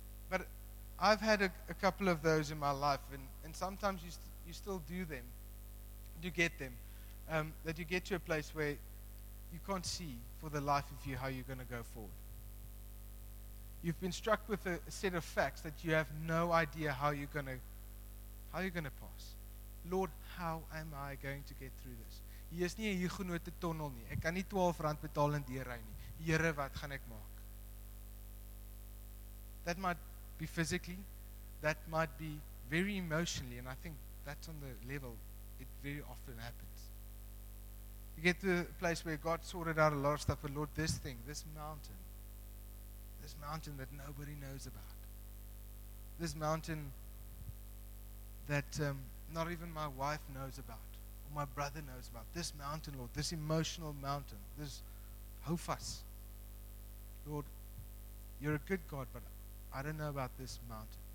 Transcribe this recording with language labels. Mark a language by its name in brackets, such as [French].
[English] But I've had a couple of those in my life, and sometimes you still do them, you get them, that you get to a place where you can't see for the life of you how you're going to go forward. You've been struck with a set of facts that you have no idea how you're going to pass. Lord, how am I going to get through this? [Afrikaans] Hier is nie 'n genote tunnel nie. Ek kan nie R12 betaal en deurry nie. Here, wat gaan ek maak? [English] That might be physically, that might be very emotionally, and I think that's on the level it very often happens. You get to the place where God sorted out a lot of stuff, but Lord, this mountain that nobody knows about, this mountain that not even my wife knows about, or my brother knows about, this mountain, Lord, this emotional mountain, this houvas, Lord, you're a good God, but I don't know about this mountain.